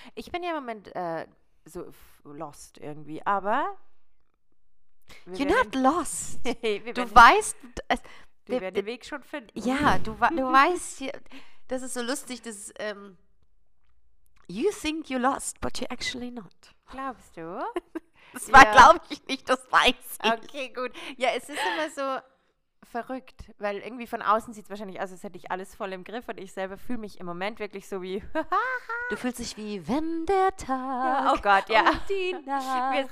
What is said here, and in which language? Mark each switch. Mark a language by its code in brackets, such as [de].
[de] Ich bin ja im Moment so lost irgendwie, aber [en] You're not lost. [de] Du weißt... Wir werden den Weg schon finden. Ja, du weißt... Das ist so lustig, dass... [en] you think you lost, but you're actually not. [de] Glaubst du? Das war, ja. Glaube ich nicht, das weiß ich. Okay, gut. Ja, es ist immer so verrückt, weil irgendwie von außen sieht es wahrscheinlich aus, als hätte ich alles voll im Griff und ich selber fühle mich im Moment wirklich so wie... Du fühlst dich wie, wenn der Tag, ja, oh Gott, ja, und die Nacht,